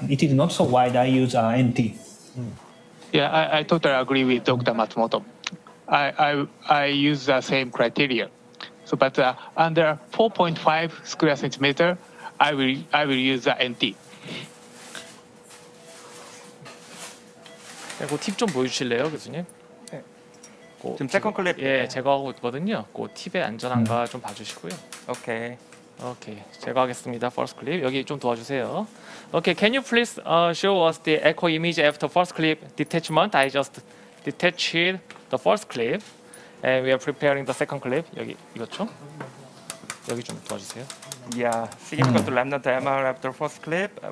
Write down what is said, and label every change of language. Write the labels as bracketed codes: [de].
[en] It is not so wide. I use NT. Mm. Yeah, I totally agree with Dr. Matsumoto. I use the same criteria. So, but under 4.5 square centimeter, I will use the NT. [ko] 네, 그 팁 좀 보여주실래요, 교수님? 네. 그 지금 세컨드 클립. 예, 제가 하고 있거든요. 그 팁의 안전한가 좀 봐주시고요. 오케이. Okay. 오케이, okay, 제가 하겠습니다. [en] First clip [ko] 여기 좀 도와주세요. [en] 오케이, okay, can you please show us the echo image after first clip detachment? I just detached the first clip. And we are preparing the second clip. [ko] 여기 이것죠? 여기 좀 도와주세요. [en] Yeah, significant remnant MR after first clip.